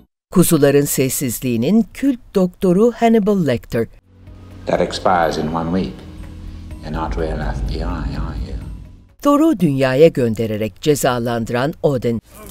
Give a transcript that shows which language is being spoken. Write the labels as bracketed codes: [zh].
[tr] Kuzuların Sessizliği'nin kült doktoru Hannibal Lecter. [en] That expires in one week. You're not real FBI, are you? [tr] Thor'u dünyaya göndererek cezalandıran Odin.